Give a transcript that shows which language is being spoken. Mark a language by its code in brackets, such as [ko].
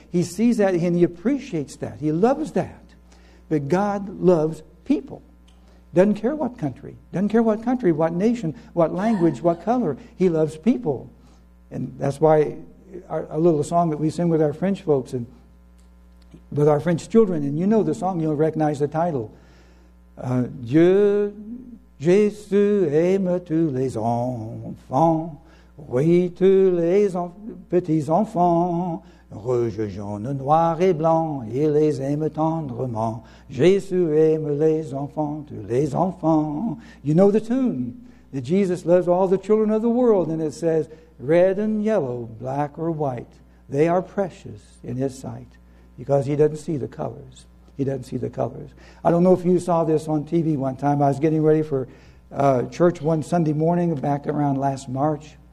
[en] He sees that and he appreciates that. He loves that. But God loves people. Doesn't care what country. Doesn't care what country, what nation, what language, what color. He loves people. And that's why a little song that we sing with our French folks and with our French children, and you know the song, you'll recognize the title. [fr] Dieu, Jésus aime tous les enfants, oui, tous les petits enfants, rouge, jaune, noir et blanc, il les aime tendrement. Jésus aime les enfants, tous les enfants. [en] You know the tune, that Jesus loves all the children of the world, and it says, red and yellow, black or white, they are precious in his sight, because he doesn't see the colors. He doesn't see the colors. I don't know if you saw this on TV one time. I was getting ready for church one Sunday morning back around last March.